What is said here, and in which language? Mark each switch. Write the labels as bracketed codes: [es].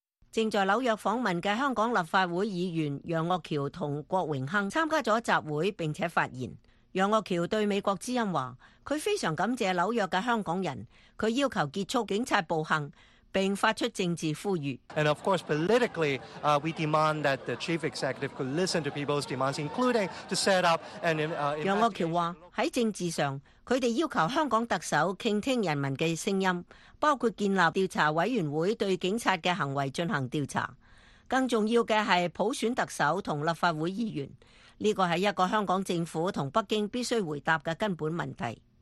[zh] 正在纽约访问的香港立法会议员杨岳桥和郭荣亨参加了集会并且发言。杨岳桥对美国之音说，他非常感谢纽约的香港人，他要求结束警察暴行并发出政治呼吁。 [en] And of course, politically, we demand that the chief executive could listen to people's demands, including to set up an investigation. [zh] 杨岳桥说，在政治上，他们要求香港特首倾听人民的声音，包括建立调查委员会对警察的行为进行调查。更重要的是普选特首和立法会议员，这个是一个香港政府和北京必须回答的根本问题。